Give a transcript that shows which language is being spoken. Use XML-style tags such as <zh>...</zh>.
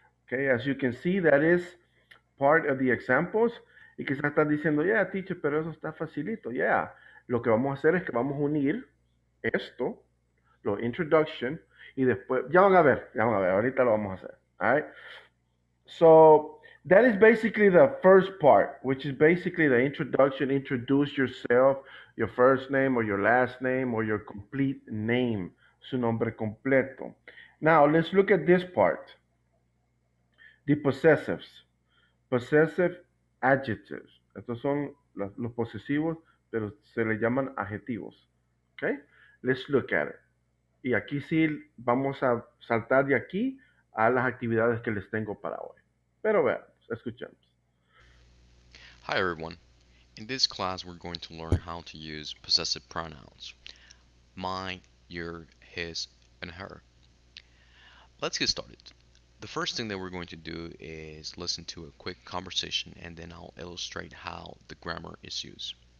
<en>Okay, as you can see, that is part of the examples.</en> <es>Y quizás están diciendo,</es> <en>yeah, teacher,</en> <es>pero eso está facilito. Yeah, lo que vamos a hacer es que vamos a unir esto, lo introduction, y después, ya van a ver, ahorita lo vamos a hacer.</es> <en>All right? So, that is basically the first part, which is basically the introduction, introduce yourself, your first name or your last name or your complete name,</en> <es>su nombre completo.</es> <en>Now, let's look at this part, the possessives, possessive adjectives.</en> <es>Estos son los posesivos, pero se le llaman adjetivos.</es> <en>Okay, let's look at it.</en> <es>Y aquí sí vamos a saltar de aquí a las actividades que les tengo para hoy. Pero vean.</es> <en>Hi everyone. In this class, we're going to learn how to use possessive pronouns. My, your, his, and her. Let's get started. The first thing that we're going to do is listen to a quick conversation and then I'll illustrate how the grammar is used.</en>